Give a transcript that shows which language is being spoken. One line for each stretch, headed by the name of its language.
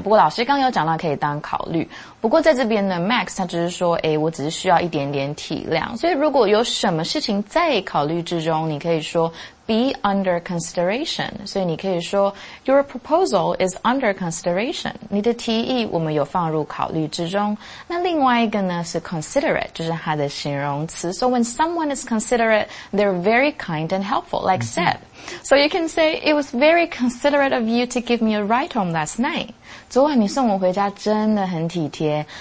Chinese: 不过老师刚有讲到可以当考虑。不过在这边呢 ，Max 他只是说，哎，我只是需要一点点体谅。所以如果有什么事情在考虑之中，你可以说
English: be under consideration. 所以你可以说 your proposal is under consideration.
Chinese: 你的提议我们有放入考虑之中。那另外一个呢是 considerate, 就是它的形容词。
English: So when someone is considerate, they're very kind and helpful, like Seb. So you can say, it was very considerate of you to give me a ride home last night.
Chinese: 昨晚你送我回家真的很体贴。